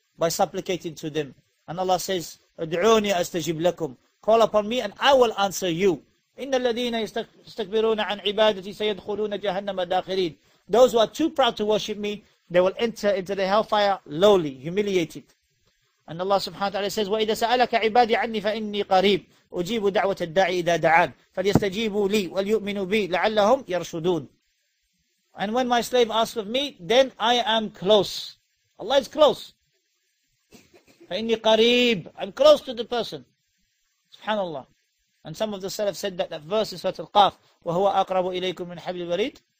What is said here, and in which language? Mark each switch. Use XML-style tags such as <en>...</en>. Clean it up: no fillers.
<en>by supplicating to them. And Allah says,</en> <ar>ادعوني أستجب لكم.</ar> <en>Call upon me and I will answer you.</en> <ar>إِنَّ الَّذِينَ يَسْتَكْبِرُونَ عَنْ عِبَادَتِي سَيَدْخُلُونَ جَهَنَّمَ دَاخِرِينَ.</ar> <en>Those who are too proud to worship me, they will enter into the hellfire lowly, humiliated. And Allah subhanahu wa ta'ala says,</en> <ar>وَإِذَا سَأَلَكَ عِبَادِي عَنِّي فَإِنِّي قَرِيبٌ أُجِيبُ دَعْوَةَ الدَّاعِ إِذَا دَعَانِ فَلْيَسْتَجِيبُوا لِي وَلْيُؤْمِنُوا بِي لَعَلَّهُمْ يَرْشُدُونَ.</ar> <en>And when my slave asks of me, then I am close. Allah is close.</en> <ar>فَإِنِّي قَرِيبٌ.</ar> <en>I'm close to the person. Subhanallah. And some of the Salaf said that verse in Surah Al-Qaf,</en> <ar>وَهُوَ أَقْرَبُ إِلَيْكُمْ مِنْ حَبْلِ الْوَرِيدِ.</ar>